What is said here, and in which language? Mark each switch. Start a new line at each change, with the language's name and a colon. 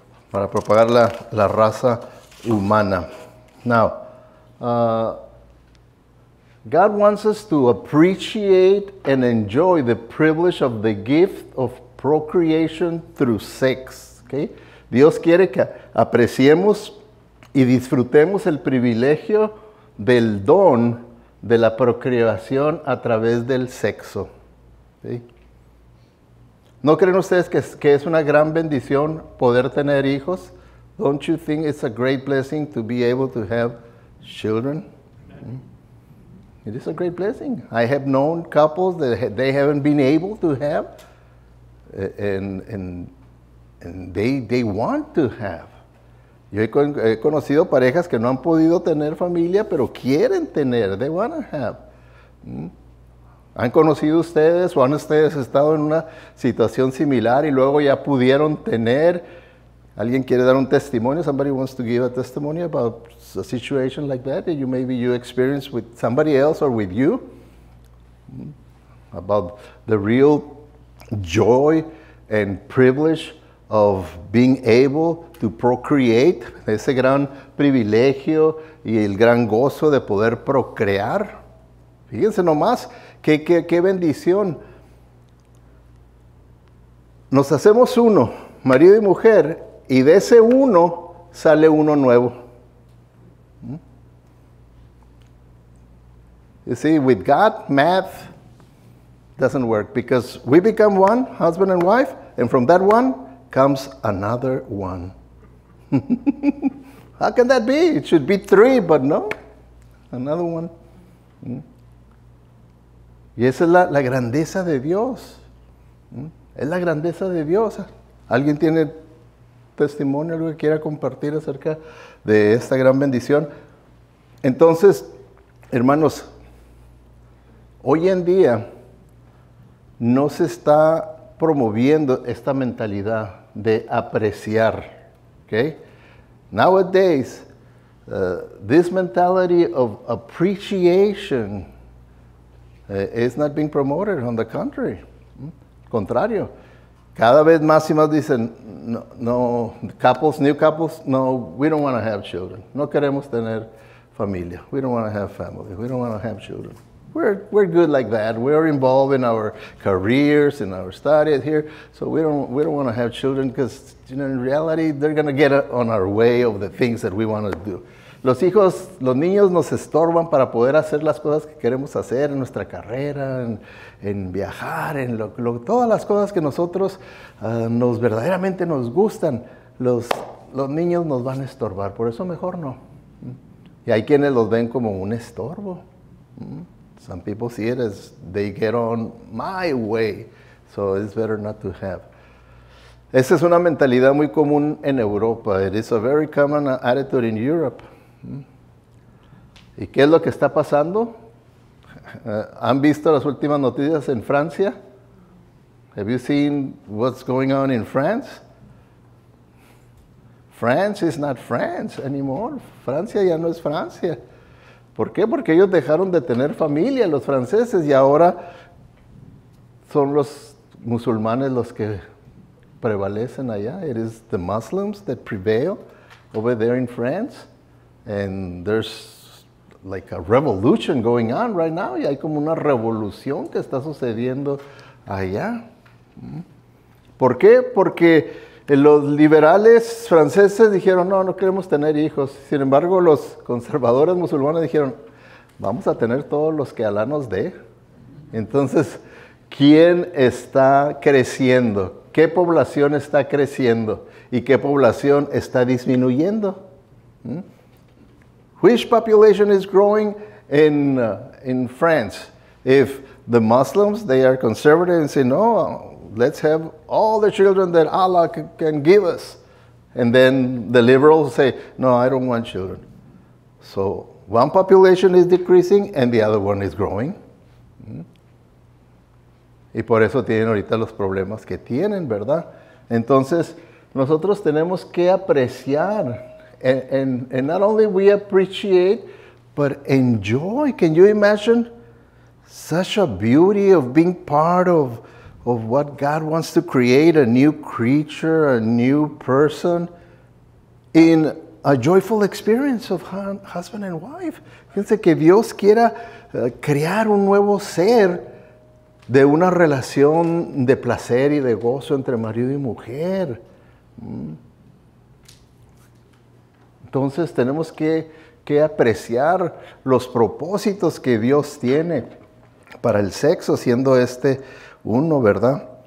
Spanish: Para propagar la raza humana.
English: Now, God wants us to appreciate and enjoy the privilege of the gift of procreation through sex, okay?
Spanish: Dios quiere que apreciemos y disfrutemos el privilegio del don de la procreación a través del sexo. ¿Sí? ¿No creen ustedes que es una gran bendición poder tener hijos?
English: Don't you think it's a great blessing to be able to have children? It is a great blessing. I have known couples that they haven't been able to have, and they want to have.
Spanish: Yo he conocido parejas que no han podido tener familia, pero quieren tener.
English: They want to have.
Spanish: ¿Han conocido ustedes o han ustedes estado en una situación similar y luego ya pudieron tener? ¿Alguien quiere dar un testimonio?
English: Somebody wants to give a testimony about a situation like that that you maybe you experienced with somebody else or with you? About the real joy and privilege of being able to procreate,
Spanish: ese gran privilegio y el gran gozo de poder procrear. Fíjense nomás, qué bendición. Nos hacemos uno, marido y mujer, y de ese uno sale uno nuevo.
English: You see, with God, math doesn't work because we become one, husband and wife, and from that one, comes another one. How can that be? It should be three, but no. Another one.
Spanish: Y esa es la grandeza de Dios. Es la grandeza de Dios. ¿Alguien tiene testimonio, algo que quiera compartir acerca de esta gran bendición? Entonces, hermanos, hoy en día no se está promoviendo esta mentalidad de apreciar, okay?
English: Nowadays, this mentality of appreciation is not being promoted. On the contrary,
Spanish: contrario. Cada vez más y más dicen,
English: new couples, we don't want to have children.
Spanish: No queremos tener familia.
English: We don't want to have family. We don't want to have children. We're good like that. We're involved in our careers, in our studies here. So we don't want to have children because, you know, in reality, they're going to get on our way of the things that we want to do.
Spanish: Los hijos, los niños nos estorban para poder hacer las cosas que queremos hacer en nuestra carrera, en viajar, en todas las cosas que nosotros verdaderamente nos gustan. Los niños nos van a estorbar. Por eso mejor no. Y hay quienes los ven como un estorbo.
English: Some people see it as they get on my way, so it's better not to have.
Spanish: Esa es una mentalidad muy común en Europa.
English: It is a very common attitude in Europe.
Spanish: ¿Y qué es lo que está pasando? ¿Han visto las últimas noticias en Francia?
English: Have you seen what's going on in France? France is not France anymore.
Spanish: Francia ya no es Francia. ¿Por qué? Porque ellos dejaron de tener familia, los franceses, y ahora son los musulmanes los que prevalecen allá.
English: It is the Muslims that prevail over there in France. And there's like a revolution going on right now.
Spanish: Y hay como una revolución que está sucediendo allá. ¿Por qué? Porque los liberales franceses dijeron, no, no queremos tener hijos. Sin embargo, los conservadores musulmanes dijeron, vamos a tener todos los que Alá nos dé. Entonces, ¿quién está creciendo? ¿Qué población está creciendo? ¿Y qué población está disminuyendo?
English: Which population is growing in France? If the Muslims, they are conservative and say, no, let's have all the children that Allah can give us. And then the liberals say, no, I don't want children. So one population is decreasing and the other one is growing.
Spanish: Y por eso tienen ahorita los problemas que tienen, ¿verdad? Entonces, nosotros tenemos que apreciar.
English: And not only we appreciate, but enjoy. Can you imagine such a beauty of being part of what God wants to create, a new creature, a new person, in a joyful experience of husband and wife?
Spanish: Fíjense que Dios quiera crear un nuevo ser de una relación de placer y de gozo entre marido y mujer. Entonces tenemos que apreciar los propósitos que Dios tiene para el sexo, siendo este uno, ¿verdad?